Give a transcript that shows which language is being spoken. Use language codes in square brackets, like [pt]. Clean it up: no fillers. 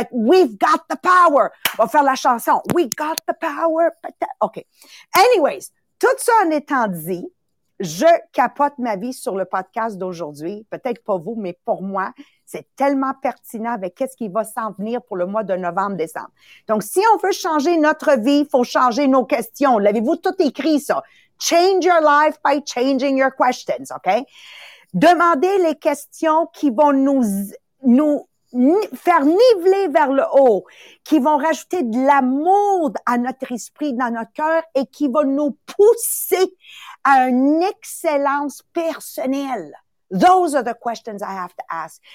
[en] Like, we've got the power. [fr] On va faire la chanson. [en] We got the power. OK. [fr] Anyways, tout ça en étant dit, je capote ma vie sur le podcast d'aujourd'hui. Peut-être pas vous, mais pour moi, c'est tellement pertinent avec qu'est-ce qui va s'en venir pour le mois de novembre-décembre. Donc, si on veut changer notre vie, il faut changer nos questions. L'avez-vous tout écrit, ça? [en] Change your life by changing your questions, OK? [fr] Demandez les questions qui vont nous faire niveler vers le haut, qui vont rajouter de l'amour à notre esprit, dans notre cœur et qui vont nous pousser à une excellence personnelle. [en] Those are the questions I have to ask.